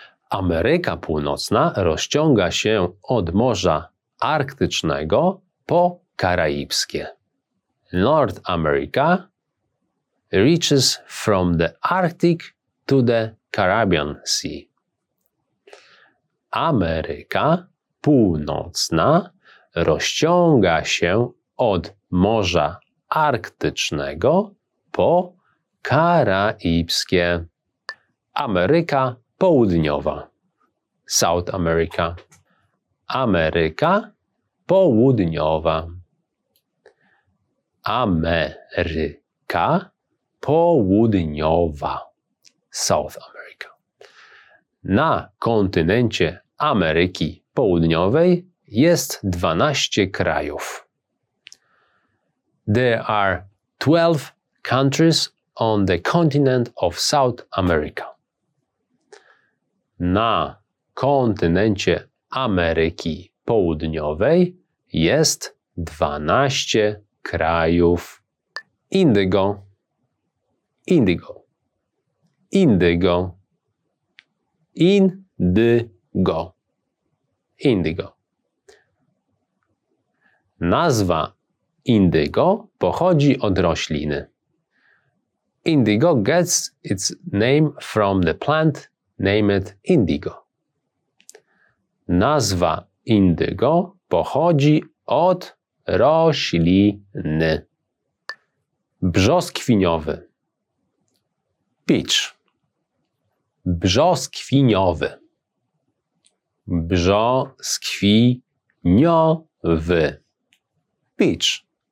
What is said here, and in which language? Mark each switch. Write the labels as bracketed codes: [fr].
[pl] Ameryka Północna rozciąga się od Morza Arktycznego po Karaibskie. [en] North America reaches from the Arctic to the Caribbean Sea. [pl] Ameryka Północna rozciąga się od Morza Arktycznego po Karaibskie. Ameryka Południowa. South America. Ameryka Południowa. Ameryka Południowa. South America. Na kontynencie Ameryki Południowej jest 12 krajów. [en] There are 12 countries on the continent of South America. [pl] Na kontynencie Ameryki Południowej jest 12 krajów. Indigo. Indigo. Indigo. Indigo. Indigo. Nazwa indigo pochodzi od rośliny. [en] Indigo gets its name from the plant named indigo. [pl] Nazwa indigo pochodzi od rośliny. Brzoskwiniowy. Peach. Brzoskwiniowy. Brzoskwiniowy. Peach.